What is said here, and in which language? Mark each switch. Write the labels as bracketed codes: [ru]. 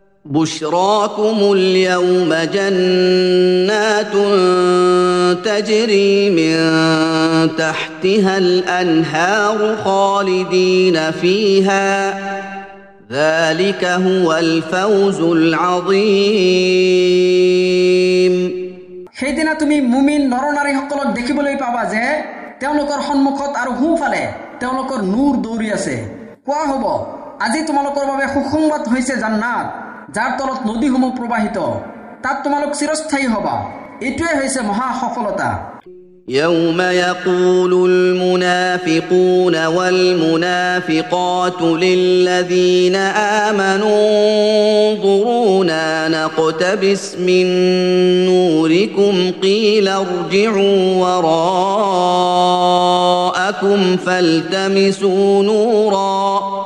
[ar] بشراكم اليوم جنات تجري من تحتها الأنهار خالدين فيها ذلك هو الفوز العظيم [as] هيدنا তুমি মুমিন নরনারী সকলক দেখিবলৈ পাবা যে তেওঁলোকৰ সন্মুখত আৰু হুফালে তেওঁলোকৰ নূৰ দৌৰি আছে কোৱা হ'ব আজি তোমালোকৰ বাবে সুসংবাদ হৈছে জান্নাত যাৰ তলত নদীসমূহ প্ৰবাহিত তাত তোমালোক চিৰস্থায়ী হ'বা এইটোৱে হৈছে মহা সফলতা [ar] يوم يقول المنافقون والمنافقات للذين آمنوا انظرونا نقتبس من نوركم قيل ارجعوا وراءكم فالتمسوا نورا